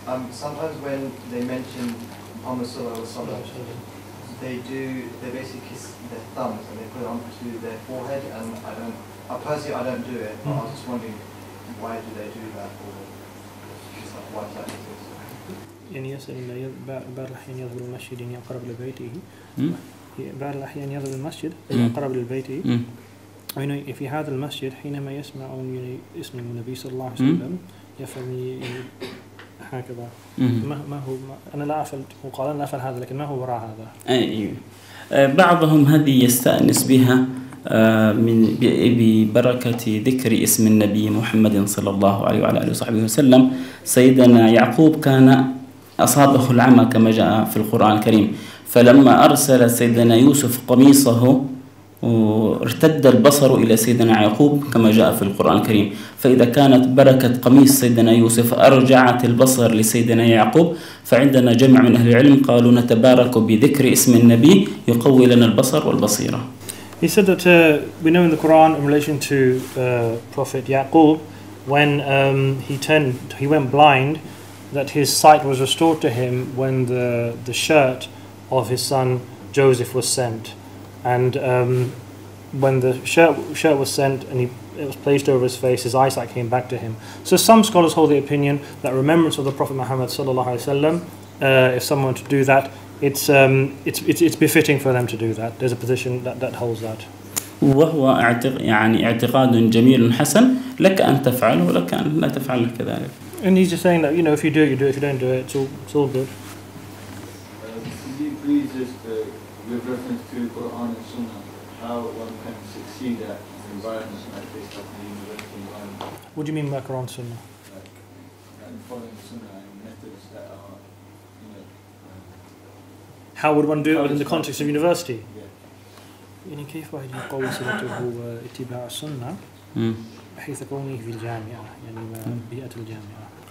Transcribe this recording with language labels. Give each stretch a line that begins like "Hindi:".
English: Sometimes when they mention Muhammad Sallallahu Alaihi Wasallam, they basically kiss their thumbs and they put it onto their forehead, and I personally don't do it, but I was just wondering why do they do that, or just why does that exist?
Arabic: يعني يسأل إن بعض الأحيان يضرب المسجد يعني أقرب لبيته. بعض الأحيان يضرب المسجد أقرب لبيته. يعني في هذا المسجد حينما يسمع اسم النبي صلى الله عليه وسلم يفعل هكذا. ما هو أنا لا أفعل وقال أنا أفعل هذا، لكن ما هو وراء هذا؟ بعضهم هذه يستأنس بها من ببركة ذكر اسم النبي محمد صلى الله عليه وعلى آله وصحبه وسلم. سيدنا يعقوب كان أصابه العمى كما جاء في القرآن الكريم، فلما أرسل سيدنا يوسف قميصه ارتد البصر إلى سيدنا يعقوب كما جاء في القرآن الكريم. فإذا كانت بركة قميص سيدنا يوسف أرجعت البصر لسيدنا يعقوب، فعندنا جمع من أهل العلم قالوا نتبارك بذكر اسم النبي يقوي لنا البصر والبصيرة.
English: He said that we know in the Quran in relation to Prophet Yaqub, when he went blind, that his sight was restored to him when the shirt of his son Joseph was sent. And when the shirt was sent and it was placed over his face, his eyesight came back to him. So some scholars hold the opinion that remembrance of the Prophet Muhammad sallallahu alaihi wasallam, if someone were to do that, it's befitting for them to do that. There's a position that holds that.
Arabic: وهو يعني اعتقاد جميل حسن، لك أن تفعله ولك أن لا تفعله كذلك.
English: And he's just saying that, you know, if you do it, you do it. If you don't do it, it's all good. Could you please just, with reference to Quran and Sunnah, how one can succeed at an environment like this, like the university environment? What do you mean by Quran and Sunnah? Like, and following Sunnah and methods that are, How would one do it within the context of university? Yeah.
Arabic: In كيف واحد يقوي صلاته اتباع السنة حيث كونه في الجامعة يعني بيئة الجامعة.